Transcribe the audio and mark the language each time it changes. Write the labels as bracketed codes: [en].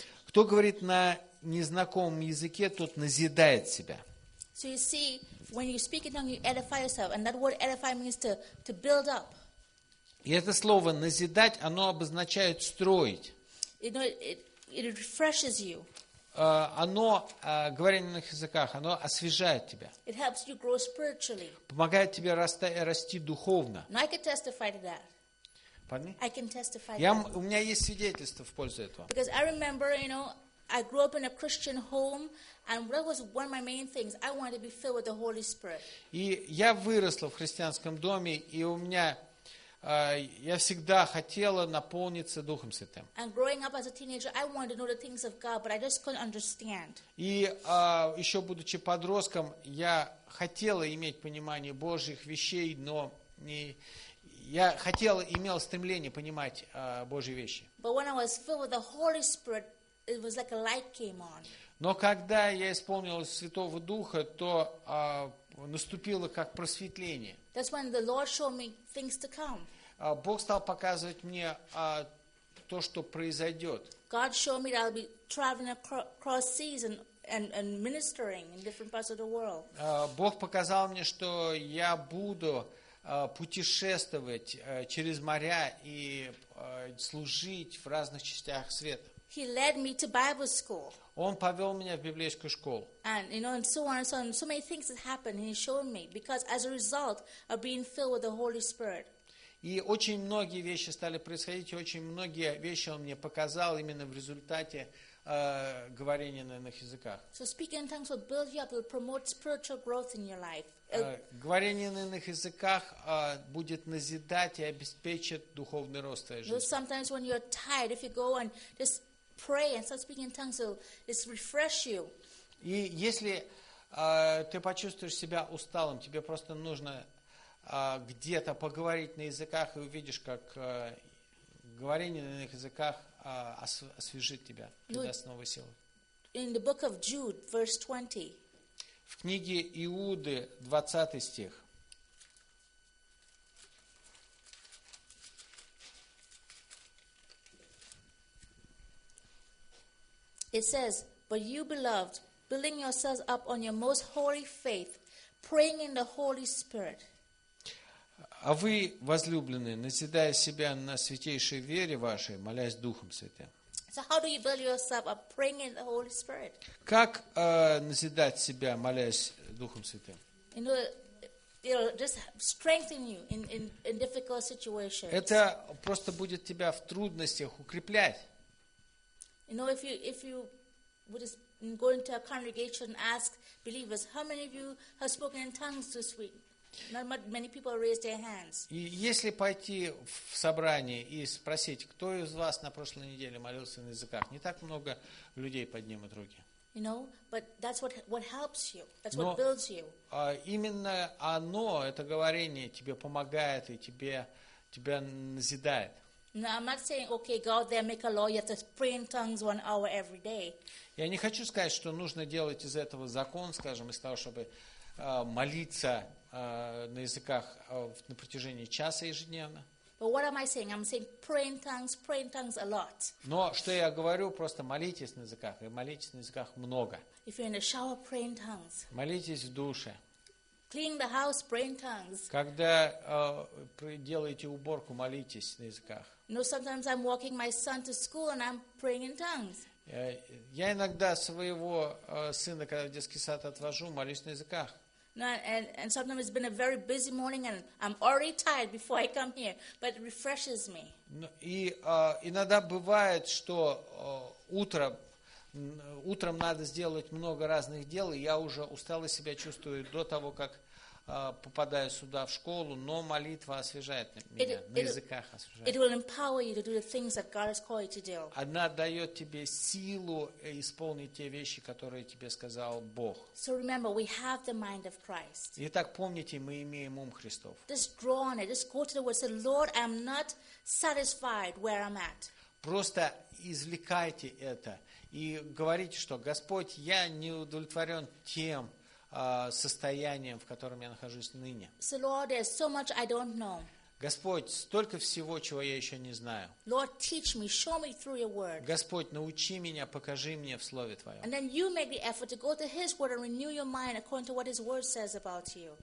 [ru] Кто говорит на незнакомом языке, тот назидает себя. [en] So you see, when you speak in a tongue, you edify yourself. And that word edify means to build up. [ru] И это слово «назидать», оно обозначает «строить». [en] You know, it refreshes you. [ru] Оно, говоря на иных языках, оно освежает тебя. [en] It helps you grow spiritually. [ru] Помогает тебе расти духовно. [en] No, I can testify to that. Pardon me? I can testify to that. [ru] У меня есть свидетельство в пользу этого. [en] Because I remember, you know, I grew up in a Christian home, and that was one of my main things. I wanted to be filled with the Holy Spirit. [ru] И я выросла в христианском доме, и у меня... я всегда хотела наполниться Духом Святым. [en] And growing up as a teenager, I wanted to know the things of God, but I just couldn't understand. [ru] И еще будучи подростком, я хотела иметь понимание Божьих вещей, но не я хотела, имела стремление понимать Божьи вещи. [en] But when I was filled with the Holy Spirit, it was like a light came on. [ru] Но когда я исполнилась Святого Духа, то наступило как просветление. [en] That's when the Lord showed me things to come. [ru] Бог стал показывать мне то, что произойдет. [en] God showed me that I'll be traveling across seas and ministering in different parts of the world. [ru] Бог показал мне, что я буду путешествовать через моря и служить в разных частях света. [en] He led me to Bible school. [ru] Он повел меня в библейскую школу. [en] And you know, and so on and so on. So many things have happened, and he showed me because as a result of being filled with the Holy Spirit. [ru] И очень многие вещи стали происходить, и очень многие вещи он мне показал именно в результате говорения на иных языках. [en] So speaking in tongues will build you up, will promote spiritual growth in your life. [ru] Говорение на иных языках будет назидать и обеспечит духовный рост твоей жизни. [en] You know, sometimes when you're tired, if you go and just pray and start speaking in tongues, it'll refresh you. [ru] И если ты почувствуешь себя усталым, тебе просто нужно где-то поговорить на языках и увидишь, как говорение на иных языках освежит тебя, придаст новые силы. [en] In the book of Jude, verse 20. [ru] В книге Иуды, 20 стих. [en] It says, but you, beloved, building yourselves up on your most holy faith, praying in the Holy Spirit. [ru] А вы, возлюбленные, назидая себя на святейшей вере вашей, молясь Духом Святым. [en] So how do you build yourself up praying in the Holy Spirit? [ru] Как назидать себя, молясь Духом Святым? [en] You know, it'll just strengthen you in difficult situations. [ru] Это просто будет тебя в трудностях укреплять. [en] You know, if you would just go into a congregation and ask believers, how many of you have spoken in tongues this week? Not many people raised their hands. [ru] И если пойти в собрание и спросить, кто из вас на прошлой неделе молился на языках, не так много людей поднимут руки. [en] You know, but that's what helps you. That's what builds you. [ru] Именно оно, это говорение, тебе помогает и тебя назидает. [en] No, I'm not saying, okay, go out there, make a law, you have to pray in tongues 1 hour every day. [ru] Я не хочу сказать, что нужно делать из этого закон, скажем, из того, чтобы молиться на языках на протяжении часа ежедневно. [en] But what am I saying? I'm saying pray in tongues a lot. [ru] Но что я говорю, просто молитесь на языках, и молитесь на языках много. [en] If you're in the shower, pray in tongues. [ru] Молитесь в душе. [en] Clean the house, pray in tongues. [ru] Когда делаете уборку, молитесь на языках. [en] No, sometimes I'm walking my son to school and I'm praying in tongues. [ru] Я иногда своего сына, когда в детский сад отвожу, молюсь на языках. [en] No, and sometimes it's been a very busy morning and I'm already tired before I come here, but it refreshes me. [ru] И иногда бывает, что утром надо сделать много разных дел, и я уже устало себя чувствую до того, как попадаю сюда в школу, но молитва освежает меня, на языках освежает. [en] It will empower you to do the things that God has called you to do. [ru] Она дает тебе силу исполнить те вещи, которые тебе сказал Бог. [en] So remember, we have the mind of Christ. [ru] Итак, помните, мы имеем ум Христов. [en] Just draw on it, just go to the word, say, Lord, I'm not satisfied where I'm at. [ru] Просто извлекайте это и говорите, что Господь, я не удовлетворен тем состоянием, в котором я нахожусь ныне. [en] So, Lord, there's so much I don't know. [ru] Господь, столько всего, чего я еще не знаю. [en] Lord, teach me, show me through your word. [ru] Господь, научи меня, покажи мне в Слове Твоем. [en] And then you make the effort to go to His word and renew your mind according to what His word says about you.